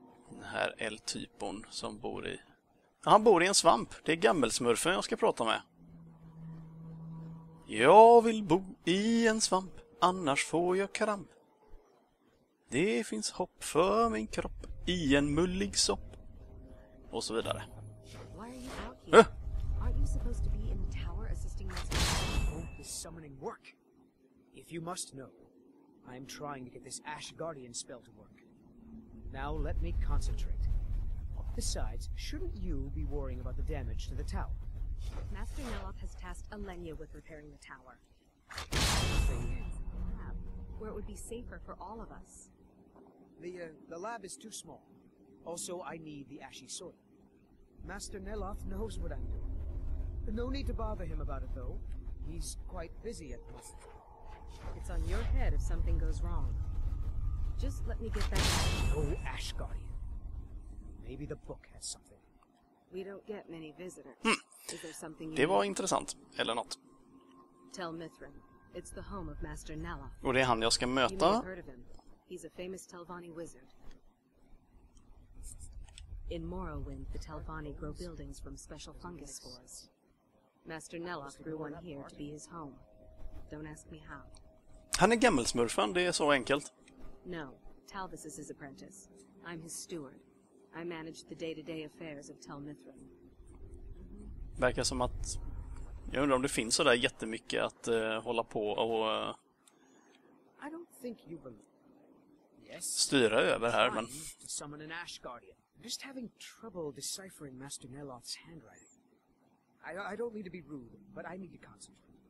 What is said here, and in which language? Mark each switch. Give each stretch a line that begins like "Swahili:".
Swedish: Den här L-typon som bor i... Han bor i en svamp. Det är gammelsmurfen jag ska prata med. Jag vill bo i en svamp, annars får jag kramp. Det finns hopp för min kropp i en mullig sopp. Och så vidare.
English: Are you supposed to be in the tower assisting us? This summoning work. If you must know, I am trying to get this Ash Guardian spell to work. Now let me concentrate. Besides, shouldn't you be worrying about the damage to the tower? Master Naloth has tasked Alenia with repairing the tower. The thing is, lab, where it would be safer for all of us. The lab is too small. Also, I need the ashy soil. Master Naloth knows what I'm doing. No need to bother him about it, though. He's quite busy at the moment. It's on your head if something goes wrong. Just let me get that... Oh, Ash Guardian. Maybe the book has something. We don't get many visitors. Hmm.
Swedish: Det var intressant, eller något.
English: Tell Mithrin, it's the home of Master Nala.
Swedish: Och det är han jag ska möta.
English: You may have heard of him. He's a famous Telvanni wizard. In Morrowind, the Telvanni grow buildings from special fungus spores. Master Nala grew one here to be his home. Don't ask me how.
Swedish: Han är gammelsmurfen, det är så enkelt.
English: No, Talvis is his apprentice. I'm his steward. I manage the day-to-day affairs of Tel Mithrin.
Swedish: Verkar som att... Jag undrar om det finns så där jättemycket att hålla på och...
English: I don't think you believe. Yes.
Swedish: Styra över här, men...
English: Summon an Ash Guardian. I'm just having trouble deciphering Master Neloth's handwriting. I don't need to be rude, but I need to concentrate.